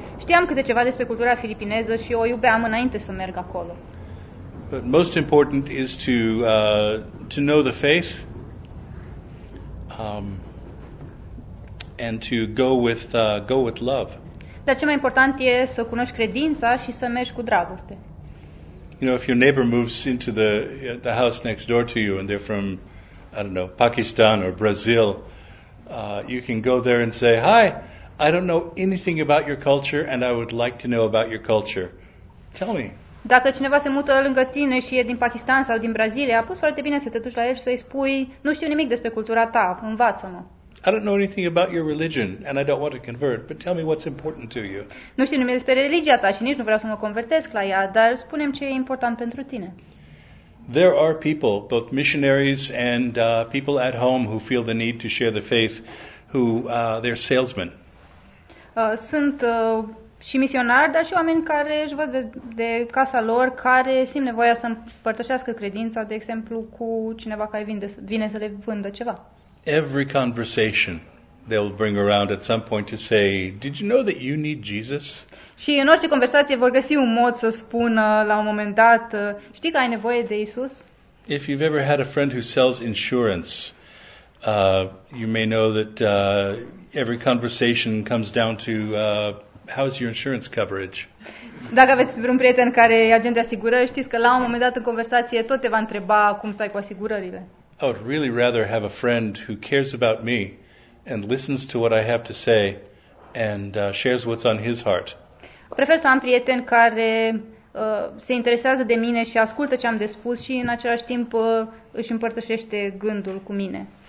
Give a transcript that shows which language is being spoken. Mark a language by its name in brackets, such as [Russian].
[Romanian] Știam câte ceva despre cultura filipineză și o iubeam înainte să merg acolo. [English] But most important is to know the faith and to go with love. [Romanian] Dar cel mai important e să cunoști credința și să mergi cu dragoste. [English] You know, if your neighbor moves into the house next door to you and they're from, I don't know, Pakistan or Brazil, you can go there and say, "Hi, I don't know anything about your culture and I would like to know about your culture. Tell me." [Romanian] Dacă cineva se mută lângă tine și e din Pakistan sau din Brazilia, poți foarte bine să te duci la el și să-i spui, "Nu știu nimic despre cultura ta, învață-mă." [English] I don't know anything about your religion and I don't want to convert, but tell me what's important to you. [Romanian] Nu știu nimic despre religia ta și nici nu vreau să mă convertesc la ea, dar spune-mi ce e important pentru tine. [English] There are people, both missionaries and people at home who feel the need to share the faith, who they're salesmen. [Romanian] Sunt și misionari, dar și oameni care își văd de casa lor, care simt nevoia să împărtășească credința, de exemplu, cu cineva care vine să le vândă ceva. [English] Every conversation they'll bring around at some point to say, "Did you know that you need Jesus?" [Romanian] Și în orice conversație vor găsi un mod să spună la un moment dat, știi că ai nevoie de Isus? [English] If you've ever had a friend who sells insurance, you may know that every conversation comes down to how's your insurance coverage? [Romanian] Dacă aveți vreun prieten care e agent de asigurări, știți că la un moment dat în conversație tot te va întreba cum stai cu asigurările. [English] I would really rather have a friend who cares about me and listens to what I have to say and shares what's on his heart. [Romanian] Prefer să am prieten care se interesează de mine și ascultă ce am de spus și în același timp își împărtășește gândul cu mine.